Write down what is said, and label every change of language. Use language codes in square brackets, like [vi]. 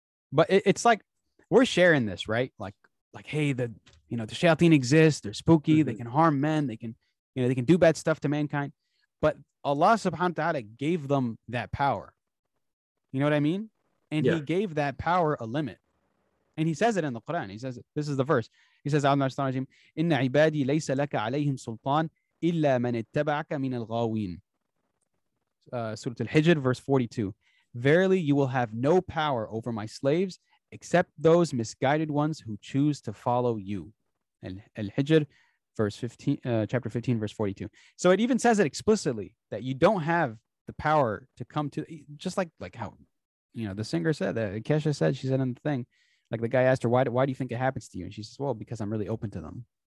[en] But it's like, we're sharing this, right? Like, hey, the shayateen exists, they're spooky, mm-hmm. they can harm men, they can do bad stuff to mankind. But Allah subhanahu wa ta'ala gave them that power. You know what I mean? And yeah. He gave that power a limit. And he says it in the Quran. He says, this is the verse. He says, [ar] Allah subhanahu wa ta'ala, إِنَّ عِبَادِي لَيْسَ لَكَ عَلَيْهِمْ سُلْطَانِ إِلَّا مَنِ اتَّبَعَكَ مِنَ الْغَاوِينَ. [en] Surah Al-Hijr, verse 42. Verily, you will have no power over my slaves except those misguided ones who choose to follow you. Al-Hijr, verse 15, chapter 15, verse 42. So it even says it explicitly that you don't have the power to come to, just like how, you know, the singer said that Kesha said, she said in the thing, like the guy asked her, why do you think it happens to you? And she says, well, because I'm really open to them.